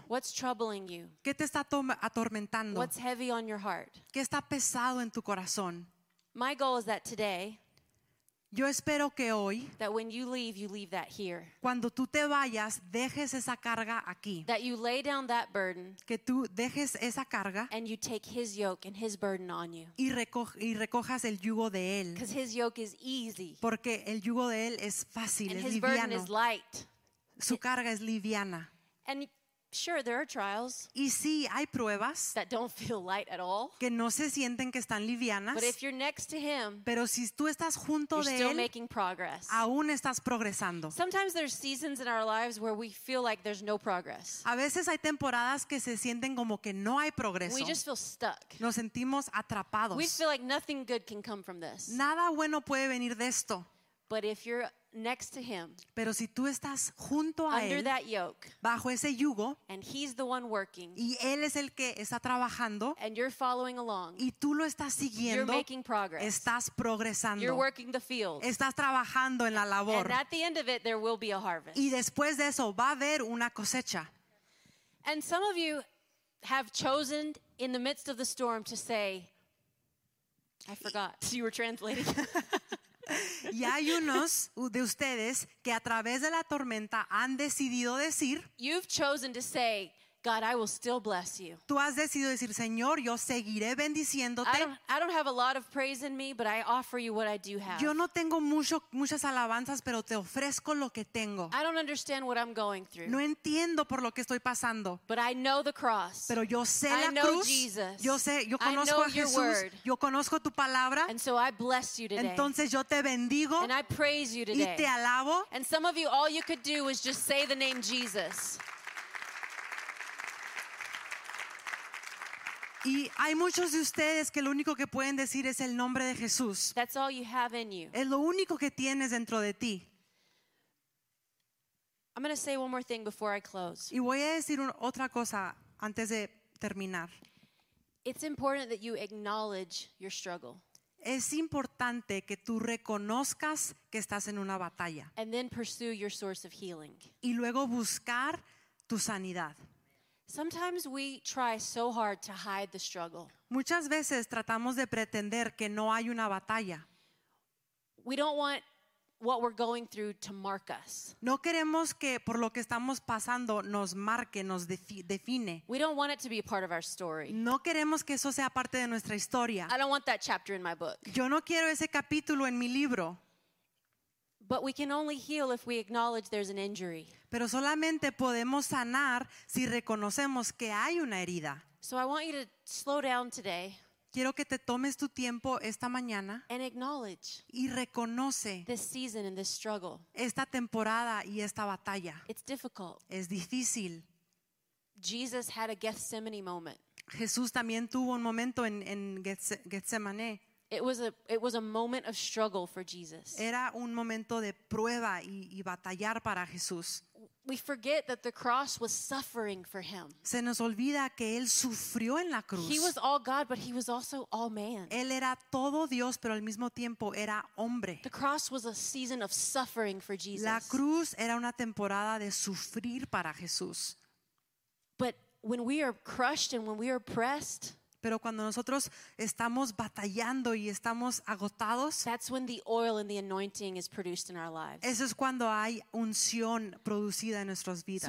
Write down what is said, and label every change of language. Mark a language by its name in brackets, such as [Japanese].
[English] What's troubling you? [Spanish] ¿Qué te está atormentando? [English] What's heavy on your heart? [Spanish] ¿Qué está pesado en tu corazón? [English] My goal is that today, [Spanish] yo espero que hoy, [English] that when you leave that here. [Spanish] Cuando tú te vayas, dejes esa carga aquí. [English] That you lay down that burden, [Spanish] que tú dejes esa carga, [English] and you take His yoke and His burden on you. [Spanish] Y recojas el yugo de Él. [English] Because His yoke is easy. [Spanish] Porque el yugo de Él es fácil, [English] and [Spanish] es [English] His [Spanish] liviano. [English] Burden is light. [Spanish] Su carga es liviana. [English] And sure, there are trials. [Spanish] Y sí, hay pruebas [English] that don't feel light at all. [Spanish] Que no se sienten que están livianas. [English] But if you're next to Him, [Spanish] pero si tú estás junto [English] you're [Spanish] de [English] still [Spanish] él, [English] making progress. [Spanish] Aún estás progresando. [English] Sometimes there's seasons in our lives where we feel like there's no progress. [Spanish] A veces hay temporadas que se sienten como que no hay progreso. [English] We just feel stuck. [Spanish] Nos sentimos atrapados. [English] We feel like nothing good can come from this. [Spanish] Nada bueno puede venir de esto. [English] But if you're next to Him, [Spanish] pero si tú estás junto a [English] under [Spanish] él, [English] that yoke, [Spanish] bajo ese yugo, [English] and He's the one working, [Spanish] y él es el que está trabajando, [English] and you're following along, [Spanish] y tú lo estás siguiendo, [English] you're making progress, [Spanish] estás progresando, [English] you're working the field, [Spanish] estás trabajando en la labor, [English] and at the end of it, there will be a harvest. [Spanish] Y después de eso va a haber una cosecha. [English] And some of you have chosen in the midst of the storm to say, I forgot. So you were translating. [Spanish] Y hay unos de ustedes que a través de la tormenta han decidido decir, [English] you've chosen to say, God, I will still bless you. [Spanish] Tú has decidido decir, Señor, yo seguiré bendiciéndote. [English] I don't have a lot of praise in me, but I offer you what I do have. [Spanish] Yo no tengo muchas alabanzas, pero te ofrezco lo que tengo. [English] I don't understand what I'm going through. [Spanish] No entiendo por lo que estoy pasando. [English] But I know the cross. [Spanish] Pero yo sé la cruz. [English] I know Jesus. [Spanish] Yo conozco a Jesús. [English] Your word. [Spanish] Yo conozco tu palabra. [English] And so I bless you today. [Spanish] Entonces yo te bendigo. [English] And I praise you today. [Spanish] Y te alabo. [English] And some of you, all you could do was just say the name Jesus. [Spanish] Y hay muchos de ustedes que lo único que pueden decir es el nombre de Jesús. [English] That's all you have in you. [Spanish] Es lo único que tienes dentro de ti. [English] I'm going to say one more thing before I close. [Spanish] Y voy a decir otra cosa antes de terminar. [English] It's important that you acknowledge your struggle. [Spanish] Es importante que tú reconozcas que estás en una batalla. [English] And then pursue your source of healing. [Spanish] Y luego buscar tu sanidad. [English] Sometimes we try so hard to hide the struggle. [Spanish] Muchas veces tratamos de pretender que no hay una batalla. [English] We don't want what we're going through to mark us. [Spanish] No queremos que por lo que estamos pasando nos marque, nos define. [English] We don't want it to be a part of our story. [Spanish] No queremos que eso sea parte de nuestra historia. [English] I don't want that chapter in my book. [Spanish] Yo no quiero ese capítulo en mi libro. [English] But we can only heal if we acknowledge there's an injury. [Spanish] Pero solamente podemos sanar si reconocemos que hay una herida. [English] So I want you to slow down today. [Spanish] Quiero que te tomes tu tiempo esta mañana. [English] And acknowledge. [Spanish] Y reconoce. [English] This season and this struggle. [Spanish] Esta temporada y esta batalla. [English] It's difficult. [Spanish] Es difícil. [English] Jesus had a Gethsemane moment. [Spanish] Jesús también tuvo un momento en Getsemaní. [English] It was a moment of struggle for Jesus. [Spanish] Era un momento de prueba y batallar para Jesús. [English] We forget that the cross was suffering for Him. [Spanish] Se nos olvida que Él sufrió en la cruz. [English] He was all God, but He was also all man. [Spanish] Él era todo Dios, pero al mismo tiempo era hombre. [English] The cross was a season of suffering for Jesus. [Spanish] La cruz era una temporada de sufrir para Jesús. [English] But when we are crushed and when we are pressed, [Spanish] Pero cuando nosotros estamos batallando y estamos agotados, [English] that's when the oil and the anointing is produced in our lives. [Spanish] Eso es cuando hay unción producida en nuestras vidas.